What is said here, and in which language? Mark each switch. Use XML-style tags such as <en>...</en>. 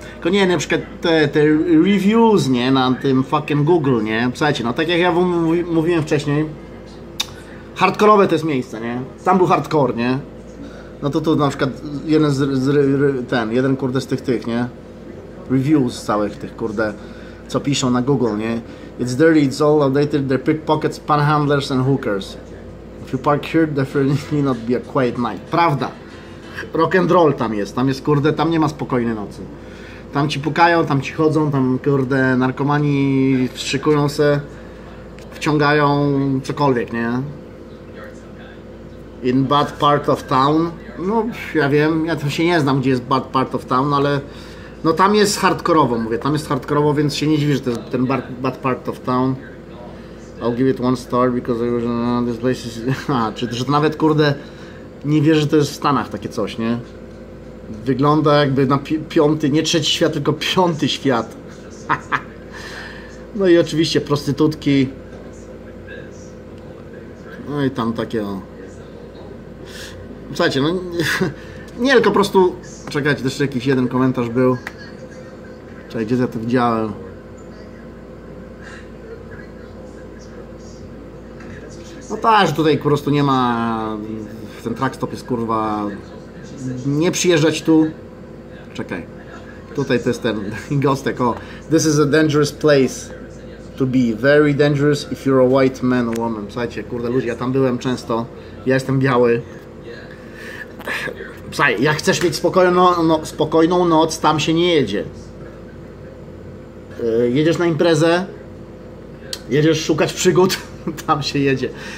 <pl>Tylko nie, na przykład te reviews, nie, na tym fucking Google, nie, słuchajcie, no tak jak ja mówiłem wcześniej, hardkorowe to jest miejsce, nie, tam był hardcore, nie, no to tu na przykład jeden z ten, jeden kurde z tych, nie, reviews całych tych, kurde, co piszą na Google, nie,</pl> <en>it's dirty, it's all outdated, they're pickpockets, panhandlers and hookers. If you park here, definitely not be a quiet night.</en> <pl>Prawda. Rock and roll tam jest. Tam jest, kurde, tam nie ma spokojnej nocy. Tam ci pukają, tam ci chodzą, tam, kurde, narkomani wstrzykują se, wciągają cokolwiek, nie?</pl> <en>In bad part of town.</en> <pl>No, ja wiem, ja tam się nie znam, gdzie jest</pl> <en>bad part of town,</en> <pl>ale no tam jest hardkorowo, mówię. Tam jest hardkorowo, więc się nie dziwię, że to jest ten bad part of town.</pl> <en>I'll give it one star because I was in this place.</en> <pl>Czy to, że to nawet, kurde, nie wierzę, że to jest w Stanach takie coś, nie? Wygląda jakby na piąty, nie trzeci świat, tylko piąty świat. No i oczywiście prostytutki. No i tam takie, no. Słuchajcie, no nie, tylko po prostu... Czekajcie, jeszcze jakiś jeden komentarz był. Czekaj, gdzie ja to widziałem? No tak, że tutaj po prostu nie ma, ten truck stop jest, kurwa, nie przyjeżdżać tu. Czekaj, tutaj to jest ten gostek, o.</pl> <en>This is a dangerous place to be, very dangerous if you're a white man or woman.</en> <pl>Słuchajcie, kurde, ludzie, ja tam byłem często, ja jestem biały. Słuchaj, jak chcesz mieć spokojną noc, tam się nie jedzie. Jedziesz na imprezę, jedziesz szukać przygód. Tam się jedzie.</pl>